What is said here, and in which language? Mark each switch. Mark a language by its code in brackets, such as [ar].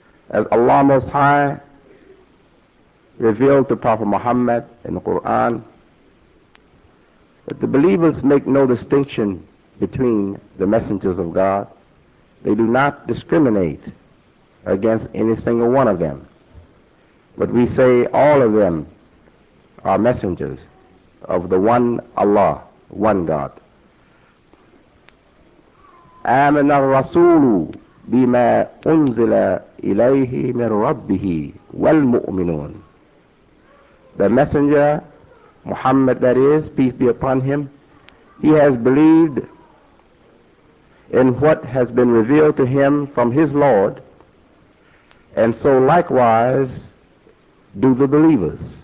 [en] As Allah Most High revealed to Prophet Muhammad in the Quran, that the believers make no distinction between the messengers of God. They do not discriminate against any single one of them. But we say all of them are messengers of the one Allah, one God. [ar] آمن الرسول بما أنزل إليه من ربه والمؤمنون. [en] The messenger, Muhammad that is, peace be upon him, he has believed in what has been revealed to him from his Lord, and so likewise do the believers.